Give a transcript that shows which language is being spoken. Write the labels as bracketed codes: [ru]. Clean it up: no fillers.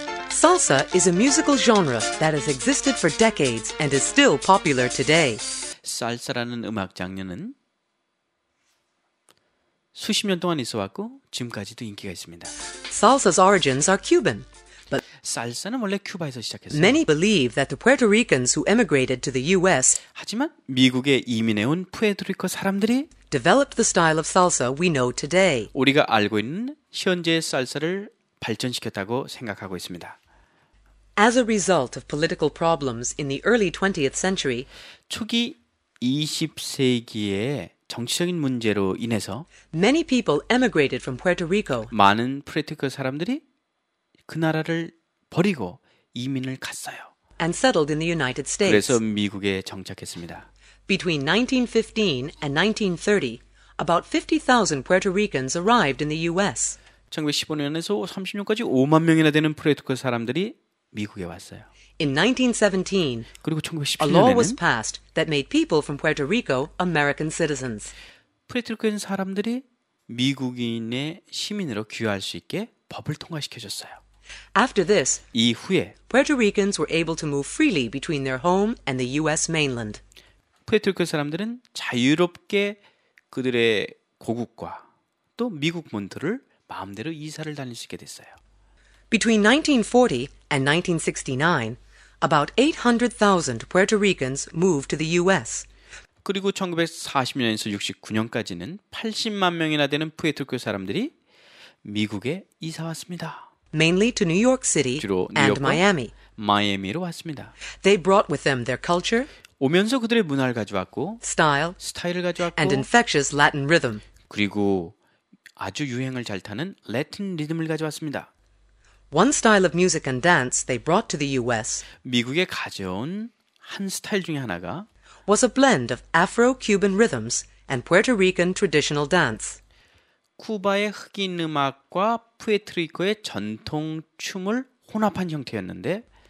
[en] Salsa is a musical genre that has existed for decades and is still popular today. [ko] 살사라는 음악 장르는 수십 년 동안 있어왔고 지금까지도 인기가 있습니다. [en] Salsa's origins are Cuban. But [ko] 살사는 원래 큐바에서 시작했어요. [en] Many believe that the Puerto Ricans who emigrated to the US [ko] 하지만 미국에 이민해 온 푸에르토리코 사람들이 [en] developed the style of salsa we know today. [ko] 우리가 알고 있는 현재의 살사를 발전시켰다고 생각하고 있습니다. [en] As a result of political problems in the early 20th century, [ko] 초기 20세기에 정치적인 문제로 인해서 [en] many people emigrated from Puerto Rico. [ko] 많은 푸에르토리코 사람들이 그 나라를 버리고 이민을 갔어요. [en] And settled in the United States. [ko] 그래서 미국에 정착했습니다. [en] Between 1915 and 1930, about 50,000 Puerto Ricans arrived in the US. [ko] 1915년에서 36년까지 5만 명이나 되는 푸에르토리코 사람들이 미국에 왔어요. [en] In 1917, [ko] 그리고 1917년에는 [en] a law was passed that made people from Puerto Rico American citizens. [ko] 푸에르토리코인 사람들이 미국인의 시민으로 귀화할 수 있게 법을 통과시켜 줬어요. [en] After this, [ko] 이후에 [en] Puerto Ricans were able to move freely between their home and the US mainland. [ko] 푸에르토리코 사람들은 자유롭게 그들의 고국과 또 미국 본토를 마음대로 이사를 다닐 수 있게 됐어요. [en] Between 1940 and 1969, about 800,000 Puerto Ricans moved to the US. [ko] 그리고 1940년에서 69년까지는 80만 명이나 되는 푸에르토리코 사람들이 미국에 이사 왔습니다. [en] Mainly to New York City and Miami. [ko] 마이애미로 왔습니다. [en] They brought with them their culture. [ko] 오면서 그들의 문화를 가져왔고 [en] style, [ko] 스타일을 가져왔고 [en] and infectious Latin rhythm. [ko] 그리고 아주 유행을 잘 타는 라틴 리듬을 가져왔습니다. [en] One style of music and dance they brought to the US. [ko] 미국에 가져온 한 스타일 중에 하나가 [en] was a blend of Afro-Cuban rhythms and Puerto Rican traditional dance. [ko] 쿠바의 흑인 음악과 푸에르토리코의 전통 춤을 혼합한 형태였는데